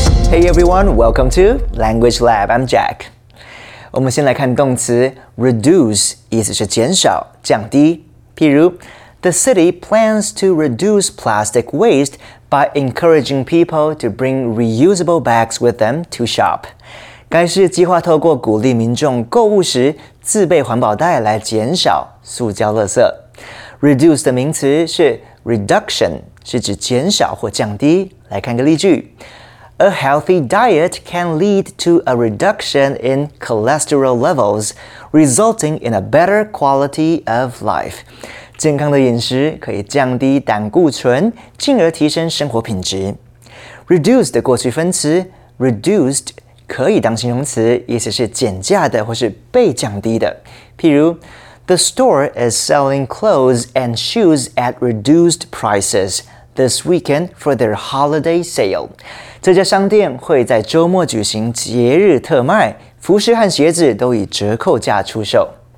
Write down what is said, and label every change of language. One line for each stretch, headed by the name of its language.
English: Hey everyone, welcome to Language Lab. I'm Jack.
Chinese: 我们先来看动词 reduce, 意思是减少、降低。譬如
English: The city plans to reduce plastic waste by encouraging people to bring reusable bags with them to shop.
Chinese: 该市计划透过鼓励民众购物时自备环保袋来减少塑胶垃圾。 Reduce 的名词是 reduction, 是指减少或降低。来看个例句。
English: A healthy diet can lead to a reduction in cholesterol levels, resulting in a better quality of life.
Chinese: 健康的饮食可以降低胆固醇，进而提升生活品质。 Reduce 的过去分词 reduced 可以当形容词，意思是减价的或是被降低的。譬如
English: ，The store is selling clothes and shoes at reduced prices this weekend for their holiday sale。
Chinese: 这家商店会在周末举行节日特卖，服饰和鞋子都以折扣价出售。